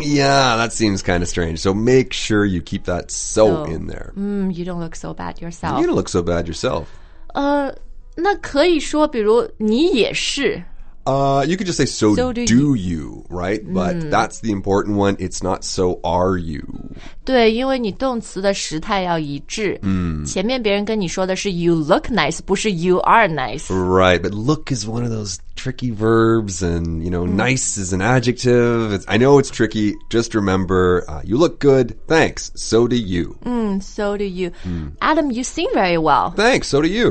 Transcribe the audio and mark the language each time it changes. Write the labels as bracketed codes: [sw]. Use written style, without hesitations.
[en] Yeah, that seems kind of strange. So make sure you keep that so in there. You don't look so bad yourself. You don't look so bad yourself. [zh] 那可以说比如你也是。 [en] You could just say, so do you, right? But that's the important one. It's not so are you. [zh] 对，因为你动词的时态要一致。前面别人跟你说的是 [en] you look nice, [zh] 不是 [en] you are nice. Right, but look is one of those tricky verbs, and, you know, nice is an adjective. I know it's tricky. Just remember, you look good. Thanks, so do you. So do you. Adam, you sing very well. Thanks, so do you.